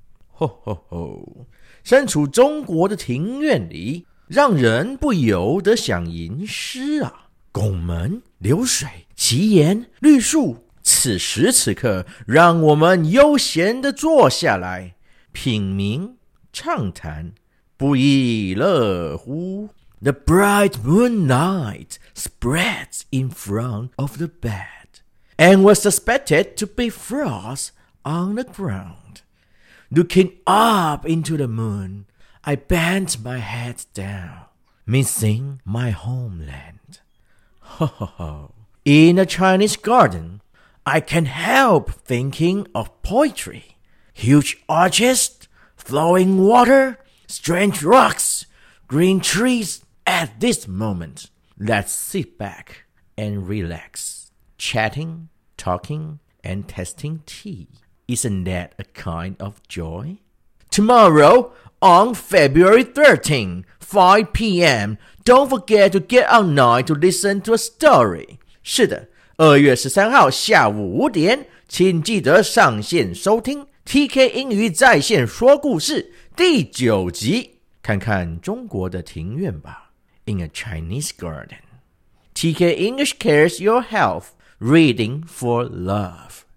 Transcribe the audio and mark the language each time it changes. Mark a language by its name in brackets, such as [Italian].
[Chinese] 吼吼吼，身处中国的庭院里，让人不由得想吟诗啊。拱门、流水、奇岩、绿树，此时此刻，让我们悠闲地坐下来，品茗、畅谈，不亦乐乎？ [English] The bright moonlight spreads in front of the bed, and was suspected to be frost on the ground. Looking up into the moon, I bent my head down, missing my homeland. Ho ho ho. In a Chinese garden,I can't help thinking of poetry. Huge arches, flowing water, strange rocks, green trees at this moment. Let's sit back and relax. Chatting, talking, and tasting tea. Isn't that a kind of joy? Tomorrow, on February 13, 5 p.m., don't forget to get online to listen to a story. [Chinese] 是的。 2月13号下午5点，请记得上线收听 TK 英语在线说故事第9集，看看中国的庭院吧。 [English] In a Chinese garden, TK English cares your health, reading for love.